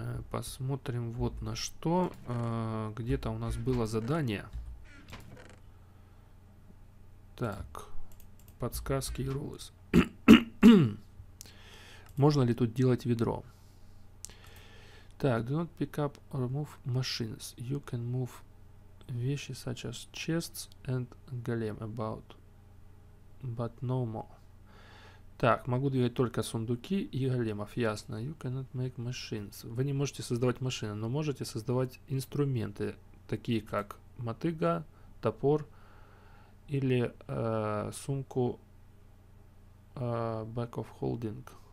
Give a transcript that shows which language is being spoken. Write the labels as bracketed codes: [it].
[ru] Посмотрим вот на что. Где-то у нас было задание. Так, подсказки и рулыс. Можно ли тут делать ведро? [en] Так, do not pick up or move machines. You can move [ru] вещи [en] such as chests and golem about, but no more. [ru] Так, могу двигать только сундуки и големов, ясно. [en] You cannot make machines. [ru] Вы не можете создавать машины, но можете создавать инструменты, такие как мотыга, топор или сумку back of holding.